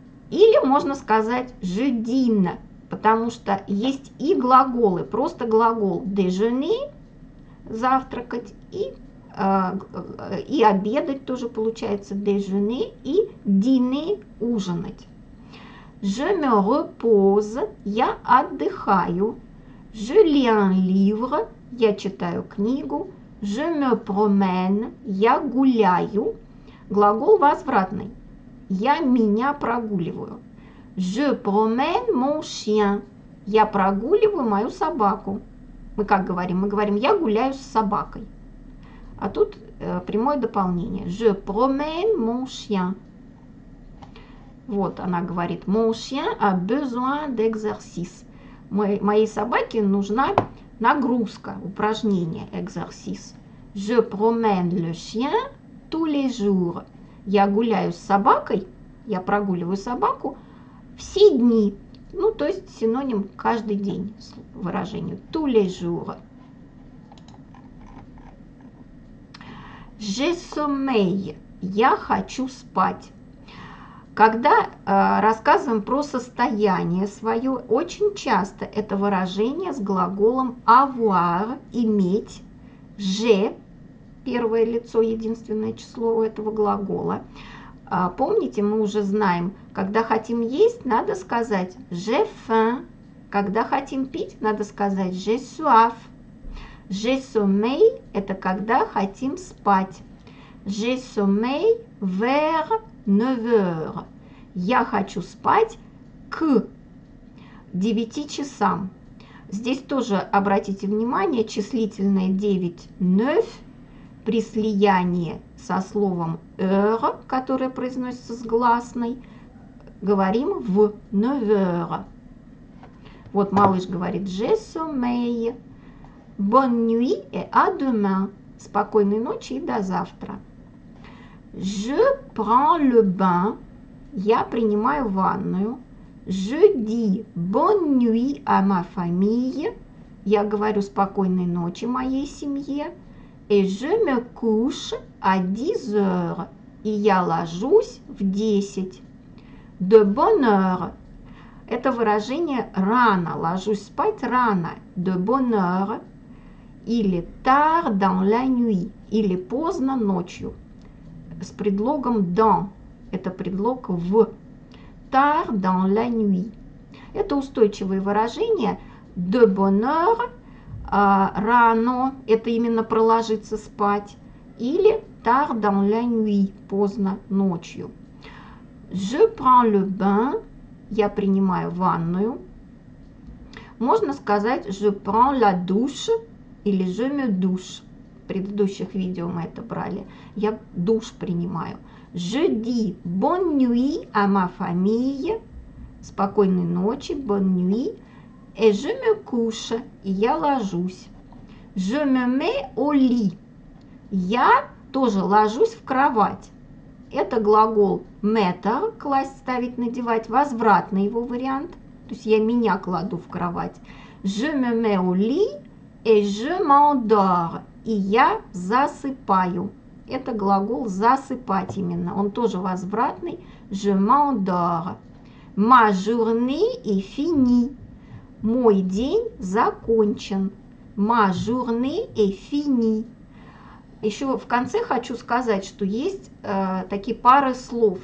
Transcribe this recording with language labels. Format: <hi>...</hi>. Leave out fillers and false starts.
<ru>Или можно сказать</ru> <fr>je dîne,</fr> <ru>потому что есть и глаголы, просто глагол déjeuner, завтракать, и обедать тоже получается déjeuner и dîner, ужинать.</ru> <fr>Je me repose,</fr> <ru>я отдыхаю.</ru> <fr>Je lis un livre,</fr> <ru>я читаю книгу.</ru> <fr>Je me promène,</fr> <ru>я гуляю. Глагол возвратный. Я меня прогуливаю.</ru> <fr>Je promène mon chien.</fr> <ru>Я прогуливаю мою собаку. Мы как говорим? Мы говорим, я гуляю с собакой. А тут прямое дополнение.</ru> <fr>Je promène mon chien.</fr> <ru>Вот она говорит,</ru> <fr>mon chien a besoin d'exercice.</fr> <ru>Моей собаке нужна нагрузка, упражнение, exercice.</ru> <fr>Je promène le chien tous les jours.</fr> <ru>Я гуляю с собакой, я прогуливаю собаку все дни. Ну, то есть синоним каждый день выражению</ru> <fr>tous les jours. J'ai sommeil.</fr> <ru>Я хочу спать. Когда рассказываем про состояние свое, очень часто это выражение с глаголом avoir, иметь, j'ai, первое лицо, единственное число у этого глагола. Помните, мы уже знаем, когда хотим есть, надо сказать</ru> <fr>j'ai faim,</fr> <ru>когда хотим пить, надо сказать</ru> <fr>j'ai soif. J'ai sommeil</fr> <ru>– это когда хотим спать.</ru> <fr>J'ai sommeil vers 9 heures.</fr> <ru>Я хочу спать к 9 часам. Здесь тоже обратите внимание, числительное 9 – 9 при слиянии со словом heure, которое произносится с гласной, говорим в 9 heures. Вот малыш говорит</ru> <fr>«J'ai sommeil». Bonne nuit et à demain.</fr> <ru>Спокойной ночи и до завтра.</ru> <fr>Je prends le bain.</fr> <ru>Я принимаю ванную.</ru> <fr>Je dis bonne nuit à ma famille.</fr> <ru>Я говорю спокойной ночи моей семье.</ru> <fr>Et je me couche à 10 heures.</fr> <ru>И я ложусь в 10.</ru> <fr>De bonne heure.</fr> <ru>Это выражение рано. Ложусь спать рано.</ru> <fr>De bonne heure. Или tard dans la nuit.</fr> <ru>Или поздно ночью. С предлогом dans. Это предлог в.</ru> <fr>Tard dans la nuit.</fr> <ru>Это устойчивое выражение.</ru> <fr>De bonne heure.</fr> <ru>Рано. Это именно проложиться спать.</ru> <fr>Или tard dans la nuit.</fr> <ru>Поздно ночью.</ru> <fr>Je prends le bain.</fr> <ru>Я принимаю ванную. Можно сказать</ru> <fr>je prends la douche или je me douche.</fr> <ru>В предыдущих видео мы это брали. Я душ принимаю.</ru> <fr>Je dis bonne nuit à ma famille.</fr> <ru>Спокойной ночи,</ru> <fr>bonne nuit. Et je me couche.</fr> <ru>И я ложусь.</ru> <fr>Je me mets au lit.</fr> <ru>Я тоже ложусь в кровать. Это глагол mettre, класть, ставить, надевать, возвратный его вариант. То есть я меня кладу в кровать.</ru> <fr>Je me mets au lit et je m'endors.</fr> <ru>И я засыпаю. Это глагол засыпать именно. Он тоже возвратный.</ru> <fr>Je m'endors. Ma journée est finie.</fr> <ru>Мой день закончен.</ru> <fr>Ma journée est finie.</fr> <ru>Еще в конце хочу сказать, что есть такие пары слов.</ru>